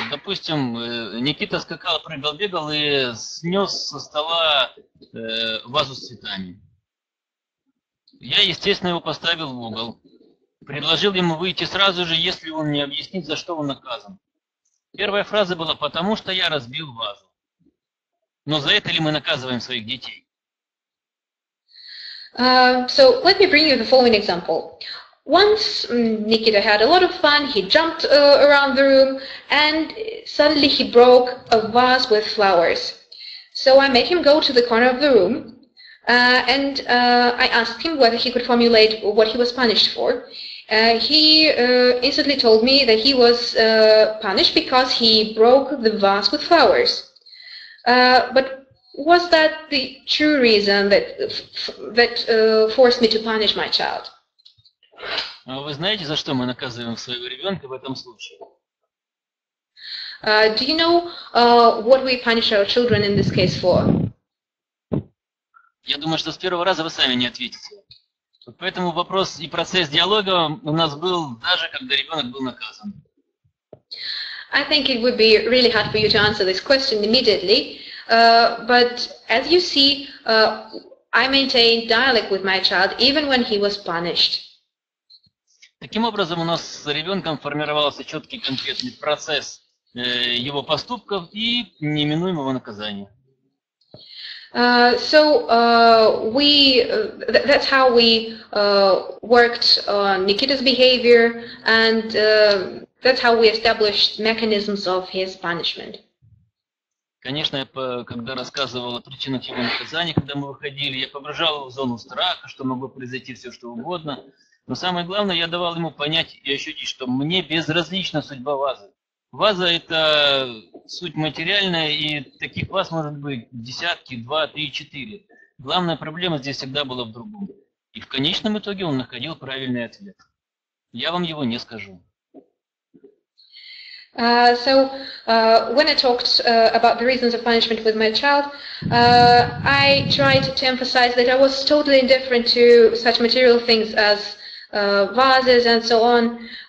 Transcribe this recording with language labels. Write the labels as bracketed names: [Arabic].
[Russian] Допустим, Никита скакал, прыгал, бегал и снес со стола вазу с цветами. Я, естественно, его поставил в угол. Предложил ему выйти сразу же, если он мне объяснит, за что он наказан. Первая фраза была: потому что я разбил вазу. Но за это ли мы наказываем своих детей? [English] So let me bring you the following example. Once Nikita had a lot of fun, he jumped around the room, and suddenly he broke a vase with flowers. So I made him go to the corner of the room, and I asked him whether he could formulate what he was punished for. He instantly told me that he was punished because he broke the vase with flowers. But was that the true reason that forced me to punish my child? [Russian] Вы знаете, за что мы наказываем своего ребенка в этом случае? [English] Do you know what we punish our children in this case for? [Russian] Я думаю, что с первого раза вы сами не ответите. Вот поэтому вопрос и процесс диалога у нас был даже когда ребенок был наказан. [English] I think it would be really hard for you to answer this question immediately. But as you see, I maintained dialogue with my child even when he was punished. [Russian] Таким образом, у нас с ребенком формировался четкий конкретный процесс его поступков и неминуемого наказания. [English] That's how we worked on Nikita's behavior, and that's how we established mechanisms of his punishment. [Russian] Конечно, когда рассказывал о причинах его наказания, когда мы выходили, я погружал его в зону страха, что могло произойти все, что угодно. Но самое главное, я давал ему понять и ощутить, что мне безразлична судьба вазы. Ваза – это суть материальная, и таких ваз может быть десятки, два, три, четыре. Главная проблема здесь всегда была в другом. И в конечном итоге он находил правильный ответ. Я вам его не скажу. [English] When I talked about the reasons of punishment with my child, I tried to emphasize that I was totally indifferent to such material things as vases and so on.